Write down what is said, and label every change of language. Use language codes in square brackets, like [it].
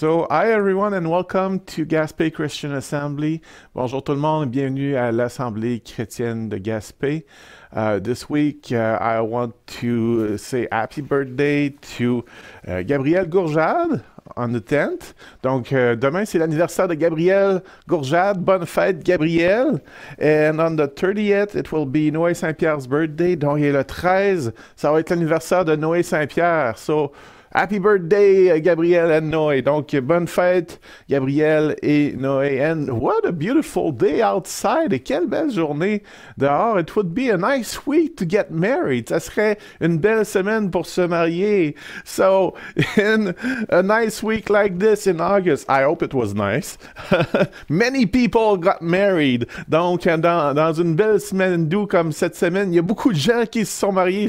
[en] Hi everyone and welcome to Gaspé Christian Assembly. [fr] Bonjour tout le monde, bienvenue à l'Assemblée chrétienne de Gaspé. [en] This week, I want to say happy birthday to Gabriel Gourjade on the 10th. [fr] Donc, demain, c'est l'anniversaire de Gabriel Gourjade. Bonne fête, Gabriel. [en] And on the 30th, it will be Noé Saint-Pierre's birthday. [fr] Donc, il est le 13, ça va être l'anniversaire de Noé Saint-Pierre. [en] So, happy birthday, Gabriel and Noé. [fr] Donc, bonne fête, Gabriel et Noé. [en] And what a beautiful day outside. [fr] Et quelle belle journée dehors. [en] It would be a nice week to get married. [fr] Ça serait une belle semaine pour se marier. [en] So, in a nice week like this in August, I hope it was nice. Many people got married. [fr] Donc, dans une belle semaine doux comme cette semaine, il y a beaucoup de gens qui se sont mariés.